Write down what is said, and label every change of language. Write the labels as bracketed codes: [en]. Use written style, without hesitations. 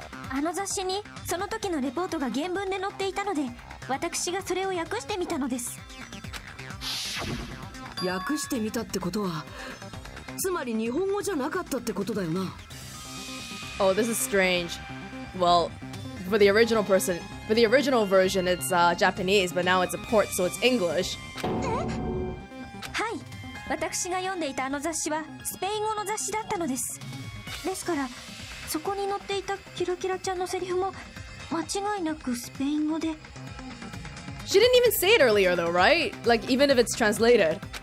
[ja] あの雑誌にその時のレポートが原文で載っていたので、私がそれを訳してみたのです。訳してみたってことは、つまり日本語じゃなかったってことだよな。 [en] Oh, this is strange. Well, for the original person, for the original version, it's Japanese, but now it's a port, so it's English. [ja] はい、私が読んでいたあの雑誌はスペイン語の雑誌だったのです。ですからそこに載っていたキラキラちゃんのセリフも間違いなくスペイン語で。 [en] She didn't even say it earlier though, right? Like even if it's translated.